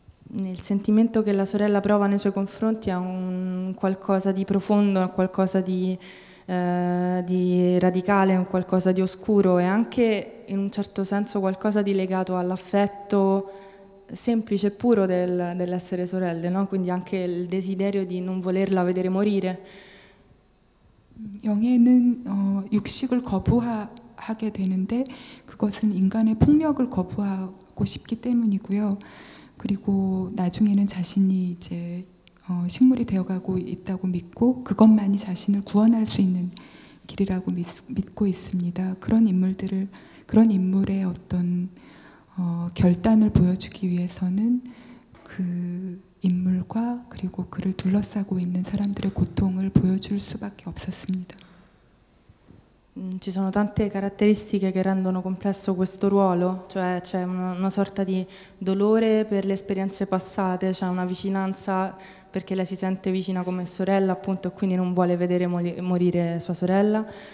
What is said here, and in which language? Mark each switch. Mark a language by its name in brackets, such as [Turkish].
[Italian] Il sentimento che la sorella prova nei suoi confronti è un qualcosa di profondo, qualcosa di radicale, un qualcosa di oscuro e anche in un certo senso qualcosa di legato all'affetto semplice e puro dell'essere sorelle, no? Quindi anche il desiderio di non volerla vedere morire. [Korean] 영혜는 육식을 거부하게 되는데 그것은 인간의 폭력을 거부하고 싶기 때문이고요. 그리고 나중에는 자신이 이제 식물이 되어가고 있다고 믿고 그것만이 자신을 구원할 수 있는 길이라고 믿고 있습니다. 그런 인물들을 그런 인물의 어떤 결단을 보여주기 위해서는 그 인물과 그리고 그를 둘러싸고 있는 사람들의 고통을 보여줄 수밖에 없었습니다. [Italian] Ci sono tante caratteristiche che rendono complesso questo ruolo, cioè c'è una sorta di dolore per le esperienze passate, c'è una vicinanza perché lei si sente vicina come sorella, appunto, e quindi non vuole vedere morire sua sorella.